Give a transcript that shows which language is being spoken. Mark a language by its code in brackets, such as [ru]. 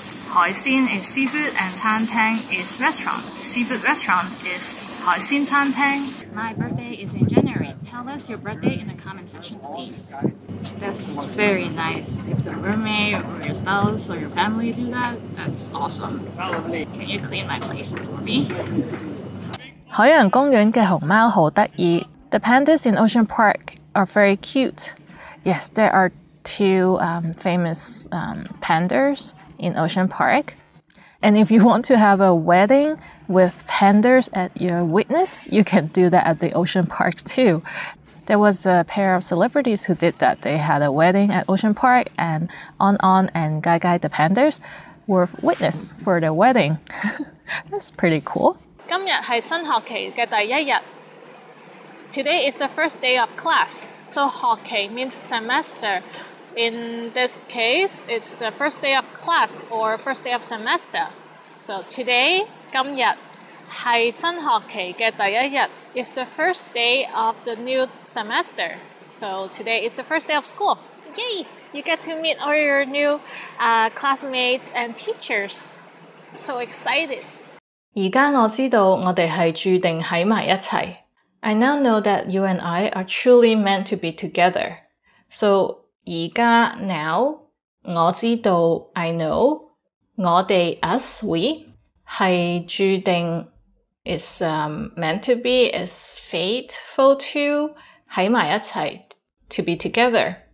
[en] 海鲜 is seafood and 餐厅 is restaurant. Seafood restaurant is [yue] 海鲜餐厅. [en] My birthday is in January. Tell us your birthday in the comment section, please. That's very nice. If the roommate or your spouse or your family do that, that's awesome. Can you clean my place for me? [yue] 海洋公园的熊猫好得意. [en] The pandas in Ocean Park are very cute. Yes, there are two famous pandas in Ocean Park. And if you want to have a wedding with pandas at your wedding, you can do that at the Ocean Park too. There was a pair of celebrities who did that. They had a wedding at Ocean Park, and On On and Gai Gai the pandas were witness for their wedding. That's pretty cool. [yue] 今日是新学期的第一日. [en] Today is the first day of class. So [yue] 学期 [en] means semester. In this case, it's the first day of class or first day of semester. So today, [yue] 今日是新学期的第一日. [en] It's the first day of the new semester. So today is the first day of school. Yay! You get to meet all your new classmates and teachers. So excited. [yue] 现在我知道我们是注定在一起. [en] I now know that you and I are truly meant to be together. So, [yue] 现在, [en] now, [yue] 我知道, [en] I know, [yue] 我们, [en] us, we, [yue] 是注定, [en] is meant to be, is fateful to, [yue] 在一起, [en] to be together.